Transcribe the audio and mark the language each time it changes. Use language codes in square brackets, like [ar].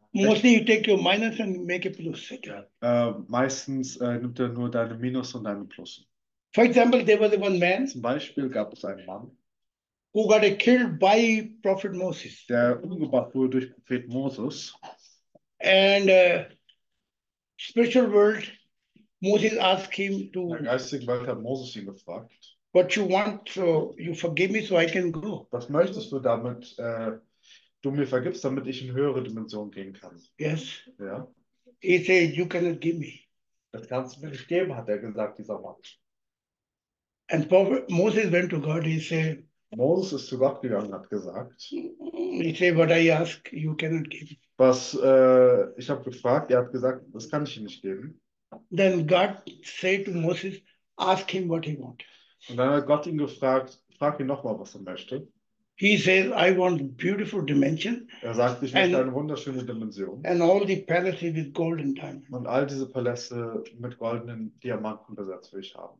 [en] Mostly you take your minus and make a plus. [de] Meistens nimmt er nur deine Minus und deine Plus. [en] For example, there was one man. [de] Zum Beispiel gab es einen Mann, [en] who got killed by Prophet Moses. [de] Der umgebracht wurde durch Prophet Moses. [en] And spiritual world. Moses asked him to. [de] Im geistigen Welt hat Moses ihn gefragt. [en] What you want, so you forgive me, so I can go. [de] Was möchtest du damit? Du mir vergibst, damit ich in höhere Dimensionen gehen kann. [en] Yes. [de] Ja. [en] He said, you cannot give me. [de] Das kannst du mir nicht geben, hat er gesagt, dieser Mann. [en] And Moses went to God. He said. [de] Moses ist zu Gott gegangen, hat gesagt. [en] He said, what I ask, you cannot give. [de] Was ich habe gefragt, er hat gesagt, das kann ich ihm nicht geben. [en] Then God said to Moses, ask him what he wants. [de] Und dann hat Gott ihn gefragt, frag ihn nochmal, was er möchte. [en] He says, I want beautiful dimension. [de] Er sagt, ich möchte eine wunderschöne Dimension. [en] And all the palaces with golden diamonds. [de] Und all diese Paläste mit goldenen Diamanten besetzt will ich haben.